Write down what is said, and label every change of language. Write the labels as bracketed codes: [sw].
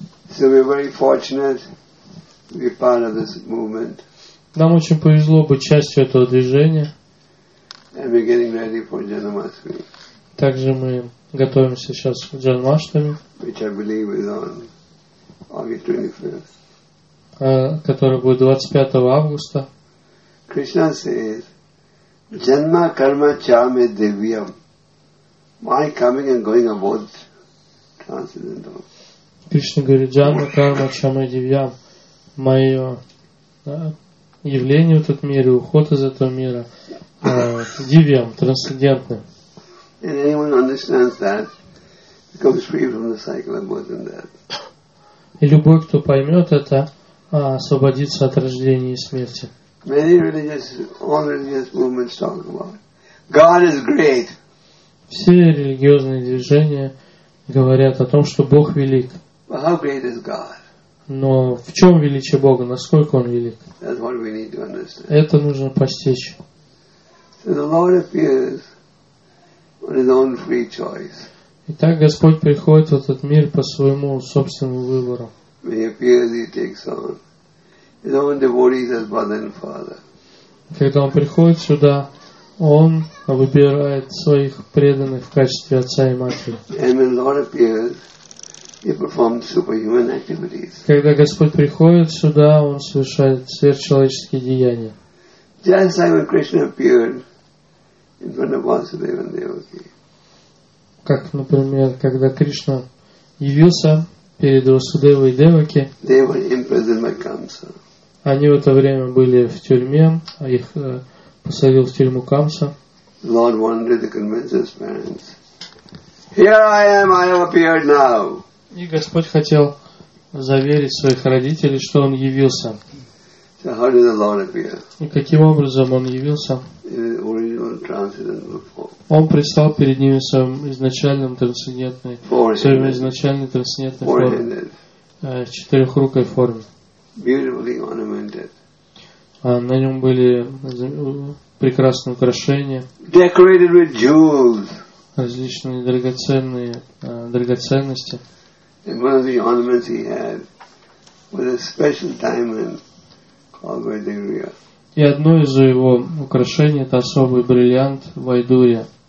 [en] So we're very fortunate to be part of this movement. [ru] Нам очень повезло быть частью этого движения. [en] And we're getting ready for Janmashtami. [ru] Также мы готовимся сейчас к Джанмаштами, [en] which I believe is on August 25th. [ru] Который будет 25 августа. [en] Krishna says, [sa] "Janma karma chame devyam." [en] My coming and going are both transcendental. [ru] Кришна говорит, [sa] "Janma karma chame devyam." [ru] Мое явление в этот мир и уход из этого мира. Дивьям, трансцендентным. [en] And anyone understands that becomes free from the cycle of birth and death. [ru] И любой, кто поймет это, освободится от рождения и смерти. [en] Many religious, all religious movements talk about God is great. [ru] Все религиозные движения говорят о том, что Бог велик. [en] But how great is God? [ru] Но в чем величие Бога? Насколько Он велик? [en] That's what we need to understand. [ru] Это нужно постичь. [en] So the Lord appears on His own free choice. [ru] Итак, Господь приходит в этот мир по своему собственному выбору. [en] When He appears, He takes on His own devotees as brother and father. [ru] Когда Он приходит сюда, Он выбирает своих преданных в качестве отца и матери. [en] And when the Lord appears, He performs superhuman activities. [ru] Когда Господь приходит сюда, Он совершает сверхчеловеческие деяния. [en] Just like when Krishna appeared in front of Vasudeva and Devaki. [ru] Как, например, когда Кришна явился перед Васудевой и Деваки. [en] They were imprisoned by Kamsa. [ru] Они в это время были в тюрьме, а их посадил в тюрьму Камса. [en] Lord wanted to convince his parents. Here I am, I have appeared now. [ru] И Господь хотел заверить своих родителей, что Он явился. [en] So how did the Lord appear? [ru] И каким образом Он явился? [en] In his original transcendental form. [ru] Он пристал перед ними в своем изначальном трансцендентной, своем изначальной трансцендентной форме, в четырехрукой форме. [en] Beautifully ornamented. [ru] На нем были прекрасные украшения. [en] Decorated with jewels. [ru] Различные драгоценные драгоценности. [en] And one of the ornaments he had was a special diamond called Vaidurya. [ru] И одно из его украшений — это особый бриллиант Вайдурья.